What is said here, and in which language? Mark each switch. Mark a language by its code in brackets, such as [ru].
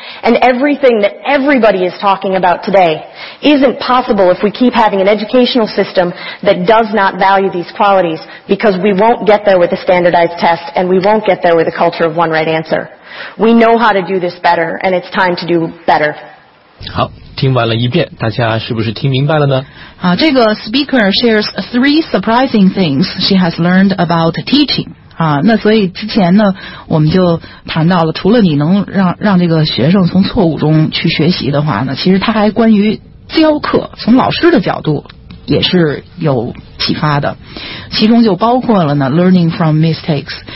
[en] And everything that everybody is talking about today isn't possible if we keep having an educational system that does not value these qualities, because we won't get there with a standardized test, and we won't get there with a culture of one right answer. We know how to do this better, and it's time to do better. [zh] 好，听完了一遍，大家是不是听明白了呢？好，这个 [en] speaker shares three surprising things she has learned about teaching. [zh] 啊，那所以之前呢我们就谈到了，除了你能让这个学生从错误中去学习的话呢，其实他还关于教课从老师的角度也是有启发的，其中就包括了呢 [en] learning from mistakes。